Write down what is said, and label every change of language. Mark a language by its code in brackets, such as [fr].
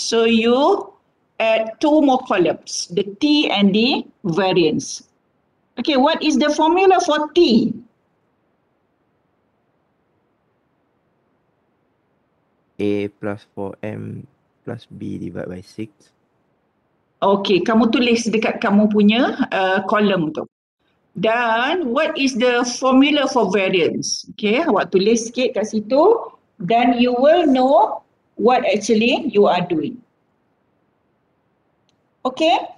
[en] So you add two more columns, the T and the variance. Okay, what is the formula for T? A plus 4M plus B divided by 6. [ms] Okay, kamu tulis dekat kamu punya kolom tu. [en] Dan what is the formula for variance? Okay, [ms] awak tulis sikit kat situ. [en] Then you will know what actually you are doing. Okay?